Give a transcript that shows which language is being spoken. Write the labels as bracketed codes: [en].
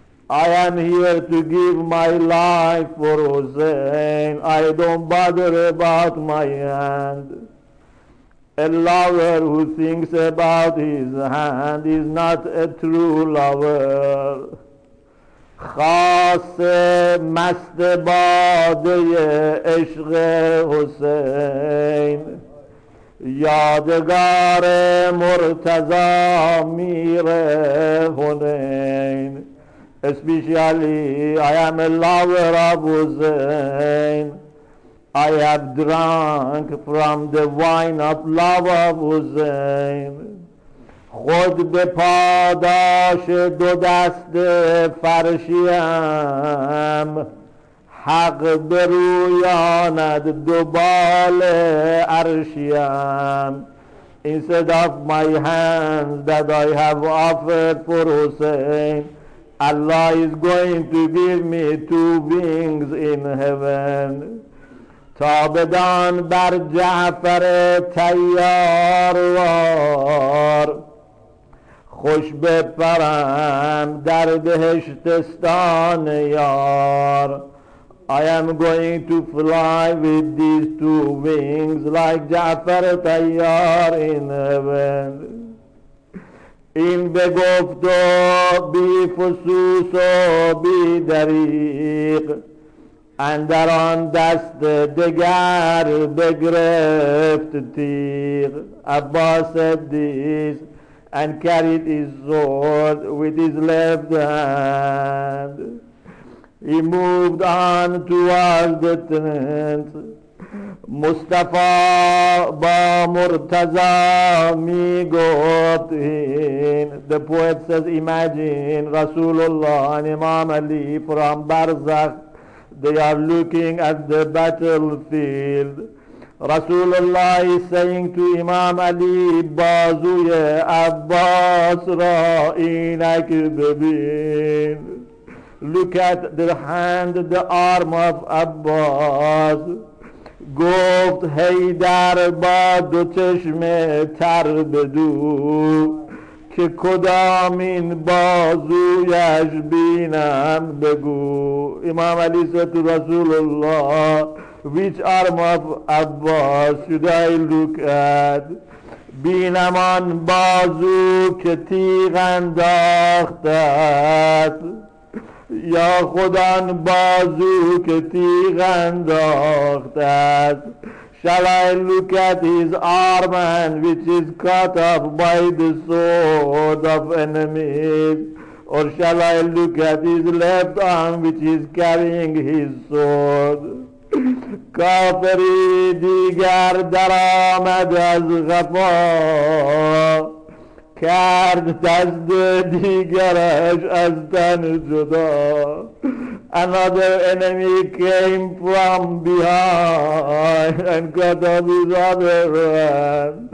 [en] I am here to give my life for Hussein. I don't bother about my hand. A lover who thinks about his hand is not a true lover. [fa] خاصه مست باده عشق حسین یادگار مرتضی میر هنین [en] Especially, I am a lover of Hussein. I have drunk from the wine of love of Hussein. [fa] خود به پاداش دو دست فرشیم حق برویاند دو بال عرشیم. [en] Instead of my hands that I have offered for Hussein, Allah is going to give me two wings in heaven. [fa] تابدان بر جعفر تیاروار خوش بپرم در بهشتستان یار. [en] I am going to fly with these two wings like جعفر تیار in heaven. [fa] این بگفت و بی فسوس و بی دریق اندر آن دست دگر بگرفت تیغ. [en] عباس said this and carried his sword with his left hand. He moved on towards the tent. [fa] Mustafa ba Murtaza mi got in. [en] The poet says, imagine Rasulullah and Imam Ali from Barzakh. They are looking at the battlefield. Rasulullah is saying to Imam Ali, [fa] Bazuye Abbas ra inak bebin. [en] Look at the hand, the arm of Abbas. [fa] گفت هیدر با دو چشم تر بدو که کدام این بازویش بینم بگو. [en] امام علی said to Rasulullah, which arm of Abbas should I look at? [fa] بینم آن بازو که تیغ انداخته است. یا خدا آن بازو که تیغ انداخت است. [en] Shall I look at his arm which is cut off by the sword of enemies, or shall I look at his left arm which is carrying his sword? [fa] کافری دیگر در آمد از غفا کرد دست دیگرش از تن جدا. [en] Another enemy came from behind and cut off his other hand.